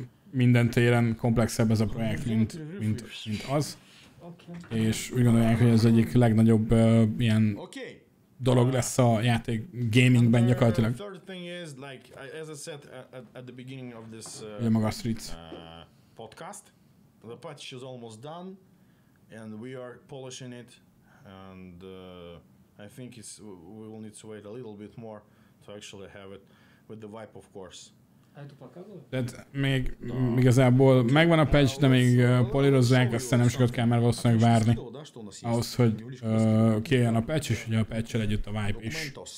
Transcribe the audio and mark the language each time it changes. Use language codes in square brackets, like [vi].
[hu] Minden téren komplexebb ez a projekt, mint az. És úgy gondolják, hogy ez egyik legnagyobb ilyen dolog lesz a játék gamingben gyakorlatilag. [en] Like, as I said at the beginning of this [hu] Magyar Streets [en] podcast. The patch is almost done, and we are polishing it, and I think it's we will need to wait a little bit more to actually have it with the wipe, of course. [hu] Tehát még no. Igazából megvan a patch, de még polírozzák, aztán nem sokat kell már valószínűleg várni ahhoz, hogy kijön a patch, és ugye a patch-el együtt a vibe is.